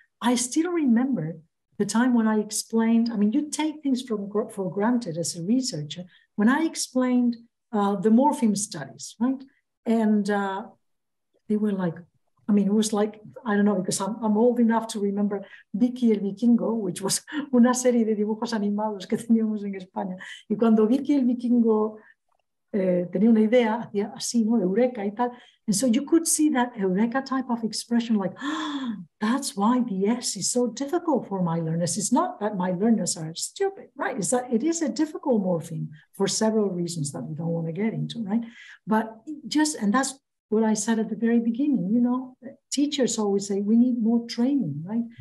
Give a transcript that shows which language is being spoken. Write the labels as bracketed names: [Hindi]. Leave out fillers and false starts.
[English] I still remember the time when I explained, you take things for granted as a researcher, when I explained the morpheme studies, right? And they were like, it was like, I don't know, because I'm old enough to remember Vicky el Vikingo, which was [Spanish] una serie de dibujos animados que teníamos en España. Y cuando Vicky el Vikingo tenía una idea, hacía así, ¿no? Eureka y tal. [English] And so you could see that Eureka type of expression, like, that's why the S is so difficult for my learners. It's not that my learners are stupid, right? It's that it is a difficult morpheme for several reasons that we don't want to get into, right? But just, and that's what I said at the very beginning, you know, teachers always say we need more training, right?